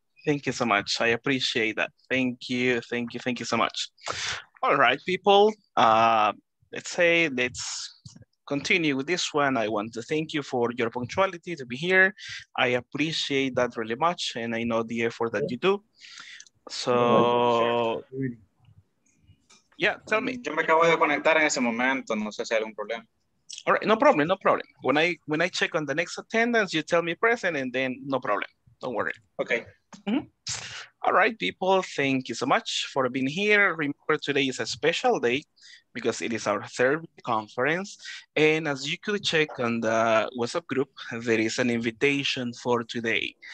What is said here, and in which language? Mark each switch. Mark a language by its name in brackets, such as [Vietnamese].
[English] Thank you so much. I appreciate that. Thank you. Thank you. Thank you so much. All right, people. Let's continue with this one. I want to thank you for your punctuality to be here. I appreciate that really much. And I know the effort that you do. So... yeah, tell me. [Spanish] Yo me acabo de conectar en ese momento, no sé si hay algún problema. [English] All right, no problem, no problem. When I check on the next attendance, you tell me present and then no problem. Don't worry. Okay. Mm-hmm. All right, people, thank you so much for being here. Remember, today is a special day because it is our third conference. And as you could check on the WhatsApp group, there is an invitation for today.